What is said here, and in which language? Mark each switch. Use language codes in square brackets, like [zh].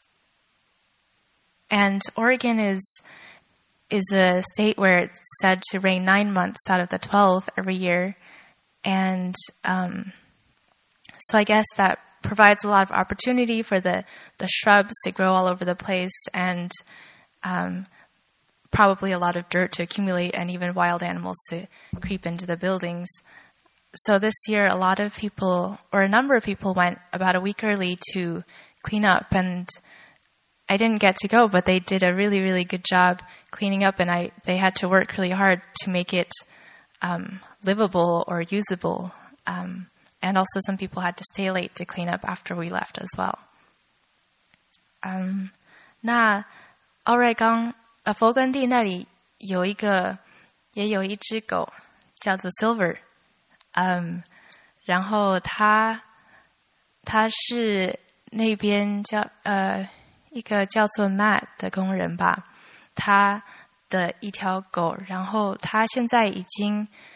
[zh] 所以在那里那个树跟丛林会长得很快，但是好像东西也很快的会变得很脏，或是很多需要清理的地方，所以今年就是有很多人他们早一个礼拜去清理，然后听说他们真的非常的用功，得去把这个地方整理好，让我们可以去。 [en] And Oregon is a state where it's said to rain 9 months out of the 12 every year. And so I guess that provides a lot of opportunity for the shrubs to grow all over the place and probably a lot of dirt to accumulate and even wild animals to creep into the buildings. So this year, a lot of people, or a number of people, went about a week early to clean up, and I didn't get to go, but they did a really, really good job cleaning up, and they had to work really hard to make it livable or usable. And also some people had to stay late to clean up after we left as well. [zh] 那 Oregon 佛根地那里有一个也有一只狗 叫做 Silver， 然后他是那边叫一个叫做 Matt 的工人吧， 他的一条狗， 然后他现在已经